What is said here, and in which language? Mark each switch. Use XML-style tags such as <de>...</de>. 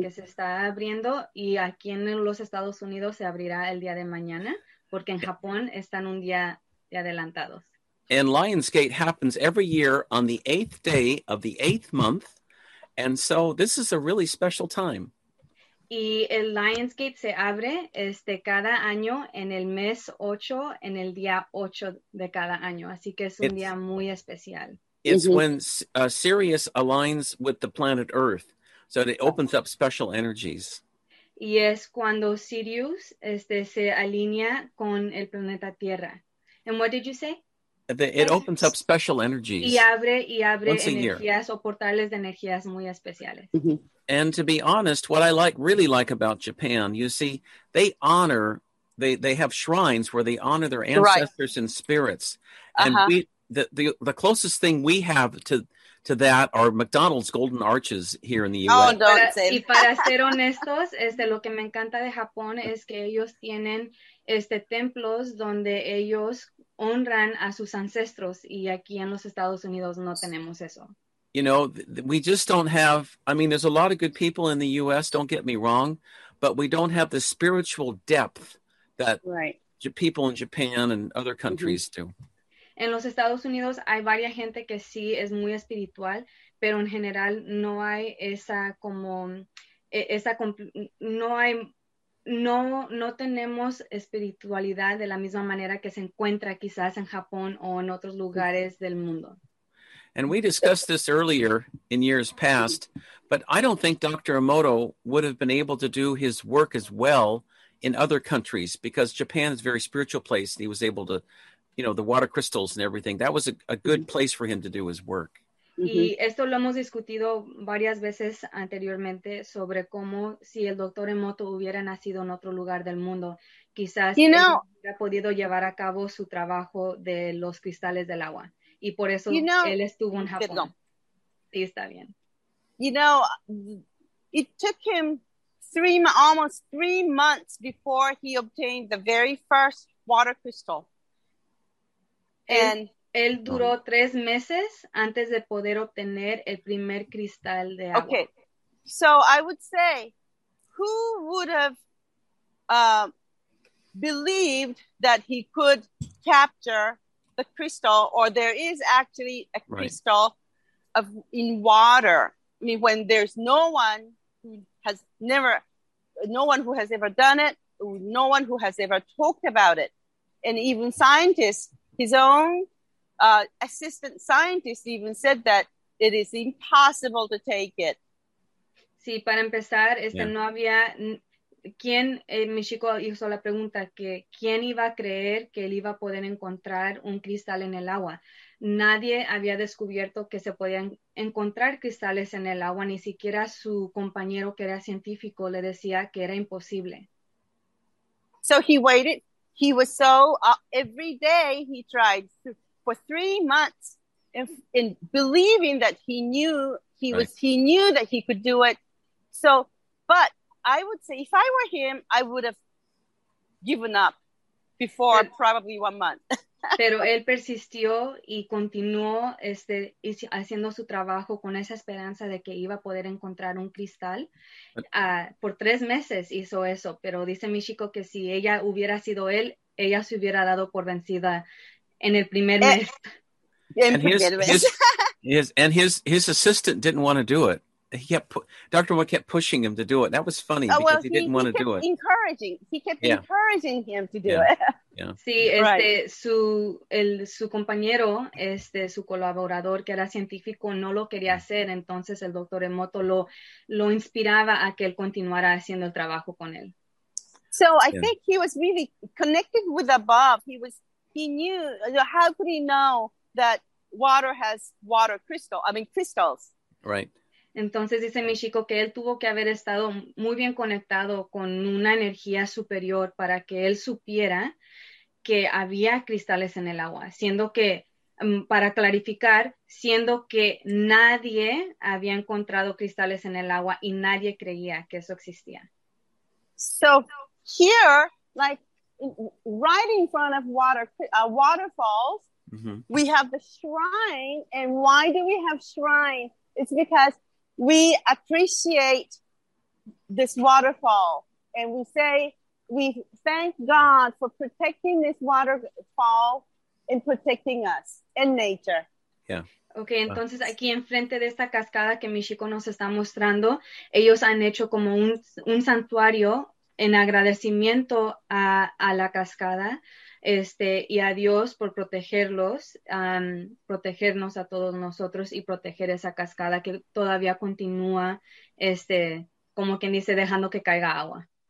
<es>que se está abriendo, y aquí en los Estados Unidos se abrirá el día de mañana, porque en Japón están un día de adelantados.</es> <en>And Lionsgate happens every year on the eighth day of the eighth month, and so this is a really special time.</en> <es>Y el Lionsgate se abre cada año en el mes 8, en el día 8 de cada año, así que es un día muy especial.</es> <en>It's mm-hmm. when Sirius aligns with the planet Earth, so it opens up special energies.</en> <es>Y es cuando Sirius se alinea con el planeta Tierra.</es> <en>And what did you say? It opens up special energies.</en> <es>Y abre once energías</es> <en>a year.</en> <es>O portales de energías muy especiales. Mm-hmm.</es> <en>And to be honest, what I really like about Japan, you see, they have shrines where they honor their ancestors and spirits. Uh-huh. And the closest thing we have to that are McDonald's golden arches here in the U.S. Oh, don't say that.</en> <es>Y para ser honestos, lo que me encanta de Japón es que ellos tienen templos donde ellos honran a sus ancestros, y aquí en los Estados Unidos no tenemos eso.</es> <en>You know, we just don't have, there's a lot of good people in the U.S., don't get me wrong, but we don't have the spiritual depth that people in Japan and other countries mm-hmm. do.</en> <es>En los Estados Unidos hay varias gente que sí es muy espiritual, pero en general no hay no tenemos espiritualidad de la misma manera que se encuentra quizás en Japón o en otros lugares del mundo.</es> <en>And we discussed this earlier in years past, but I don't think Dr. Emoto would have been able to do his work as well in other countries, because Japan is a very spiritual place. And he was able to, you know, the water crystals and everything. That was a good place for him to do his work.</en> <es>Y esto lo hemos discutido varias veces anteriormente sobre cómo si el Dr. Emoto hubiera nacido en otro lugar del mundo, quizás</es> <en>you know,</en> <es>él hubiera podido llevar a cabo su trabajo de los cristales del agua. Y por eso</es> <en>you know,</en> <es>él estuvo en Japón. Sí, está bien.</es> <en>You know, it took him almost three months before he obtained the very first water crystal.</en> <es>And él duró tres meses antes de poder obtener el primer cristal de agua.</es> <en>Okay, so I would say, who would have believed that he could capture the crystal, or there is actually a crystal in water? I mean, when there's no one who has ever done it, no one who has ever talked about it, and even scientists, his own assistant scientist even said that it is impossible to take it. Sí, para empezar, no había quien, Michiko hizo la pregunta que quién iba a creer que él iba a poder encontrar un cristal en el agua. Nadie había descubierto que se podían encontrar cristales en el agua, ni siquiera su compañero que era científico le decía que era imposible. So he waited. He was so, every day he tried for 3 months in believing that he knew he knew that he could do it. So, but I would say if I were him, I would have given up before probably 1 month.</en> <es>Pero él persistió y continuó haciendo su trabajo con esa esperanza de que iba a poder encontrar un cristal. Por tres meses hizo eso, pero dice Michiko que si ella hubiera sido él, ella se hubiera dado por vencida en el primer mes.</es> <en>And his assistant didn't want to do it. Dr. Mo kept pushing him to do it. That was funny because he didn't want to do it. He kept encouraging him to do it. Yeah.</en> <es>Sí, su compañero, su colaborador que era científico, no lo quería hacer. Entonces el Dr. Emoto lo inspiraba a que él continuara haciendo el trabajo con él.</es> <en>So I think he was really connected with above. He knew, how could he know that water has water crystals? Right.</en> <es>Entonces dice Michiko que él tuvo que haber estado muy bien conectado con una energía superior para que él supiera que había cristales en el agua, siendo que, para clarificar, siendo que nadie había encontrado cristales en el agua y nadie creía que eso existía.</es> <en>So here, like right in front of waterfalls, we have the shrine. And why do we have shrine? It's because we appreciate this waterfall, and we say we thank God for protecting this waterfall and protecting us and nature. Yeah.</en> <es>Okay, entonces aquí enfrente de esta cascada que Michiko nos está mostrando, ellos han hecho como un santuario en agradecimiento a la cascada, y a Dios por protegerlos, protegernos a todos nosotros y proteger esa cascada que todavía continúa, como quien dice, dejando que caiga agua.</es>